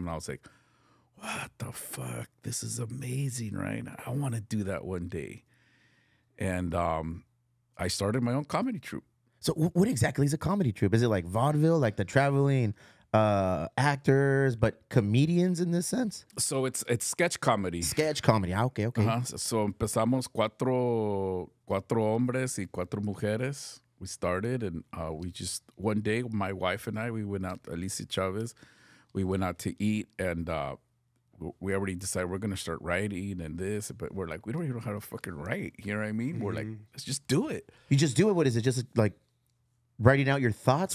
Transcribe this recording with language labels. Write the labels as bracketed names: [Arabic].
[English] And I was like, what the fuck? This is amazing, right? I want to do that one day. And I started my own comedy troupe. So what exactly is a comedy troupe? Is it like vaudeville, like the traveling actors, but comedians in this sense? So it's sketch comedy. Sketch comedy. Ah, okay. Uh-huh. [Spanish] So empezamos cuatro hombres y cuatro mujeres. [English] We started, and we just, one day, my wife and I, we went out, Alicia Chavez, we went out to eat, and we already decided we're going to start writing and this, but we're like, we don't even know how to fucking write. You know what I mean? Mm-hmm. We're like, let's just do it. You just do it? What is it? Just like writing out your thoughts?